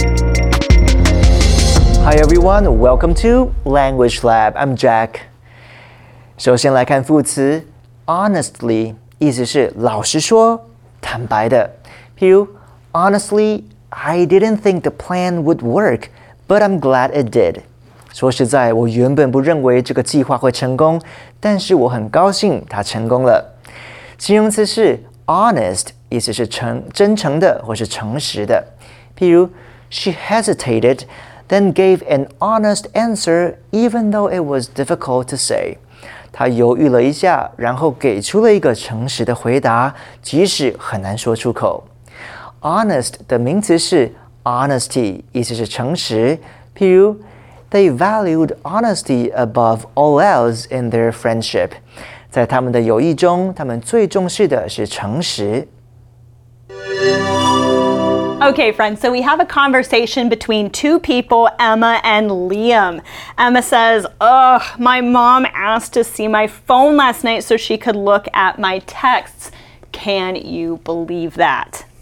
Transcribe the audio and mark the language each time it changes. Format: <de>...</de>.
<en>Hi everyone, welcome to Language Lab. I'm Jack.</en> <zh>首先来看副词 honestly, 意思是老实说，坦白的。</zh> <en>譬如 honestly, I didn't think the plan would work, but I'm glad it did.</en> <zh>说实在，我原本不认为这个计划会成功，但是我很高兴它成功了。形容词是 honest, 意思是真诚的或是诚实的。</zh> <en>譬如 she hesitated,then gave an honest answer, even though it was difficult to say.</en> <zh>她犹豫了一下，然后给出了一个诚实的回答，即使很难说出口。 Honest 的名词是 honesty, 意思是诚实。</zh> <en>譬如 ,they valued honesty above all else in their friendship.</en> <zh>在他们的友谊中，他们最重视的是诚实。</zh> <en>Okay, friends, so we have a conversation between two people, Emma and Liam. Emma says, ugh, my mom asked to see my phone last night so she could look at my texts. Can you believe that?</en>